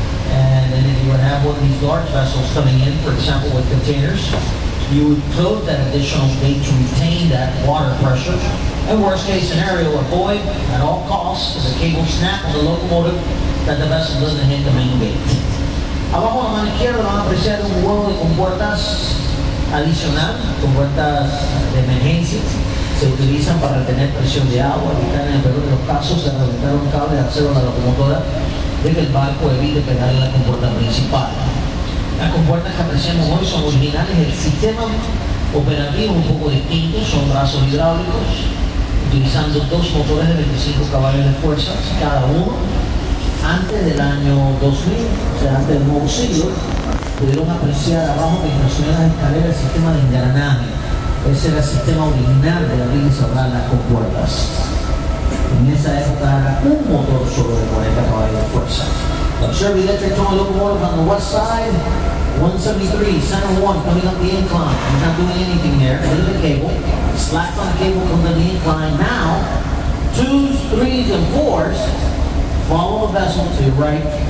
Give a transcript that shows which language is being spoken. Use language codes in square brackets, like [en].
[en] And then if you would have one of these large vessels coming in, for example with containers, you would close that additional gate to retain that water pressure. And worst case scenario, avoid at all costs is a cable snap on the locomotive that the vessel doesn't hit the main gate. [es] Abajo a mano izquierda van a apreciar un huevo de compuertas adicional, compuertas de emergencia. Se utilizan para retener presión de agua, evitar en el peor de los casos de reventar un cable de acero a la locomotora de que el barco evite pegarle la compuerta principal. Las compuertas que apreciamos hoy son originales. El sistema operativo es un poco distinto, son brazos hidráulicos, utilizando dos motores de 25 caballos de fuerza cada uno. Antes del año 2000, o sea, antes del nuevo siglo, pudieron apreciar abajo que funcionaba las escaleras del sistema de engranaje. Ese era el sistema original de abrir y cerrar las compuertas. En esa época era un motor solo de 40 caballos de fuerza. [en] Observe the electric tone locomotive on the west side. 173, center one, coming up the incline. We're not doing anything there. Under the cable. Slack on the cable from the incline. Now, twos, threes, and fours. Follow the vessel to your right.